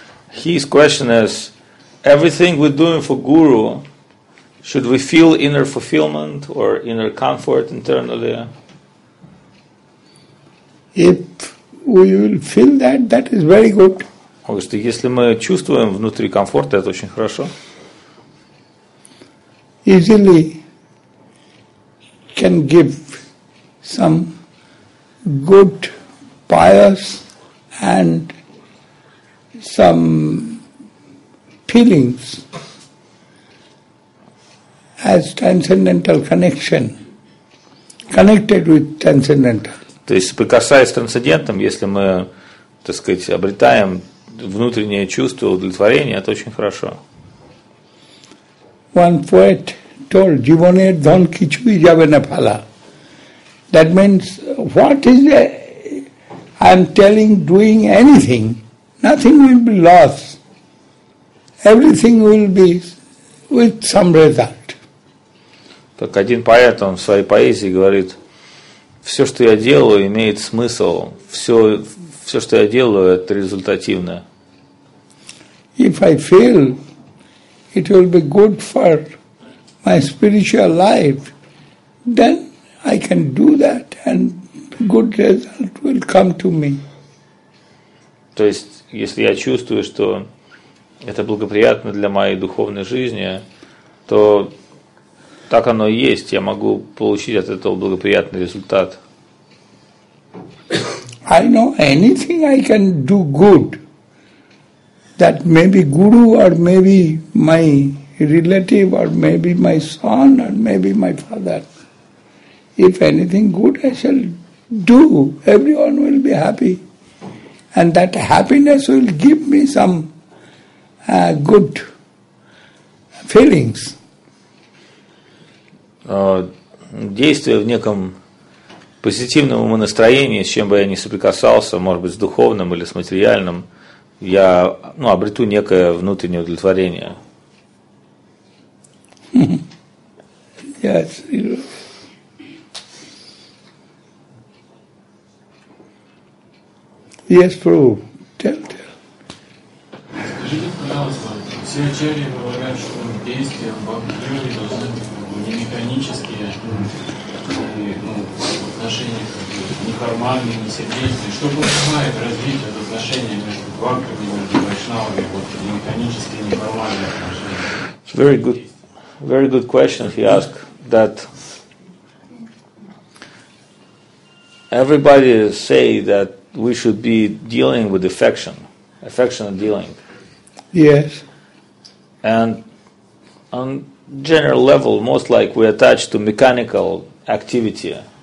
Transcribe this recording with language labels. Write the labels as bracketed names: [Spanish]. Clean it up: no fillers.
[English] His question is, everything we're doing for Guru, should we feel inner fulfillment or inner comfort internally? If we will feel that, that is very good. [Russian] Потому что если мы чувствуем внутри комфорт, это очень хорошо. [English] Easily can give some good, pious and some feelings as transcendental connection, connected with transcendental. [Russian] То есть, прикасаясь к трансцендентам, если мы, так сказать, обретаем внутреннее чувство удовлетворения, это очень хорошо. [English] One poet told, [Bangla] "Jivone don kichu jabena phala." [English] That means, what is the, I'm telling, doing anything, nothing will be lost. Everything will be with some result. [Russian] Так один поэт, он в своей поэзии говорит, все, что я делаю, имеет смысл. Все, что я делаю, это результативно. [English] If I feel, it will be good for my spiritual life, then I can do that and good result will come to me. [Russian] То есть, если я чувствую, что это благоприятно для моей духовной жизни, то так оно и есть, я могу получить от этого благоприятный результат. [English] I know anything I can do good, that maybe guru or maybe my relative or maybe my son or maybe my father. If anything good I shall do, everyone will be happy. And that happiness will give me some good feelings. [Russian] Действуя в неком позитивном настроении, с чем бы я ни соприкасался, может быть, с духовным или с материальным, я, ну, обрету некое внутреннее удовлетворение. [English] Yes. Yes, Prabhu. Tell. [Russian] Скажите, пожалуйста, все ачарьи говорят, что действия бхакти-йоги должны быть не механические, ну, в отношении неформальные, не сердечные. Что подразумевает развитие отношений между бхактами и между вайшнавами, вот механические, неформальные отношения? [English] Very good. Very good question. He asked that everybody say that we should be dealing with affection, affectionate dealing. Yes. And on general level, most like we attach to mechanical activity.